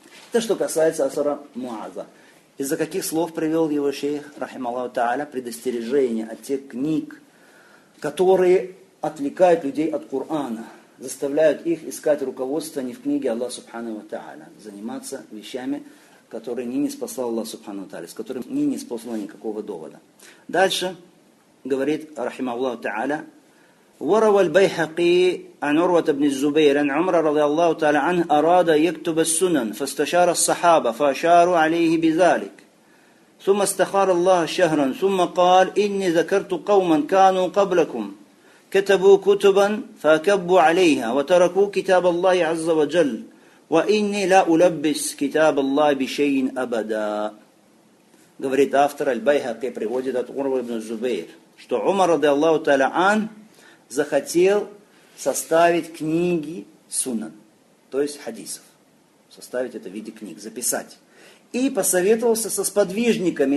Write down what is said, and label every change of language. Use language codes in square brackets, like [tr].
[ru] Это что касается асара Муаза. Из-за каких слов привел его шейх, рахималлаху та'аля, предостережение от тех книг, которые отвлекают людей от Кур'ана, заставляют их искать руководство не в книге Аллаха Субхану ва Та'аля, заниматься вещами, которые не ниспослал Аллах Субхану ва Та'аля, с которыми не ниспослал никакого довода. Дальше говорит рахималлаху та'аля, [ar] وروى البيهقي عن عروة بن الزبير عن عمر رضي الله تعالى عنه أراد يكتب السنن فاستشار الصحابة فأشاروا عليه بذلك ثم استخار الله شهرا ثم قال إني ذكرت قوما كانوا قبلكم كتبوا كتبا فكبوا عليها وتركوا كتاب الله عز وجل وإني لا ألبس كتاب الله بشيء أبدا. [ru] говорит автор البيهقي приводит от عروة بن الزبير что عمر [ar] رضي الله تعالى عنه [ru] захотел составить книги суннан, то есть хадисов. Составить это в виде книг, записать. И посоветовался со сподвижниками.